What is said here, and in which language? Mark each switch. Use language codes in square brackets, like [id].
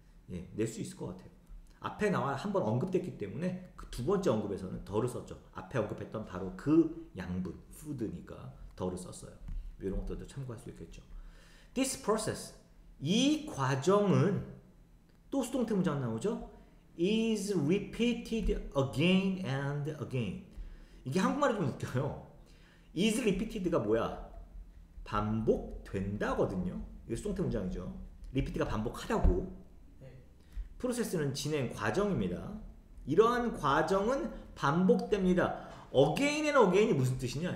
[ko] 예, 낼 수 있을 것 같아요. 앞에 나와 한번 언급됐기 때문에 그 두 번째 언급에서는 덜을 썼죠. 앞에 언급했던 바로 그 양분, food니까 덜을 썼어요. 이런 것들도 참고할 수 있겠죠. [en] This process, [ko] 이 과정은 또 수동태 문장 나오죠? [en] Is repeated again and again. [ko] 이게 한국말이 좀 웃겨요. [en] Is repeated [ko] 가 뭐야? 반복된다거든요. 이게 수동태 문장이죠. Repeat가 반복하라고. 네. Process는 진행 과정입니다. 이러한 과정은 반복됩니다. [en] Again and again [ko] 이 무슨 뜻이냐?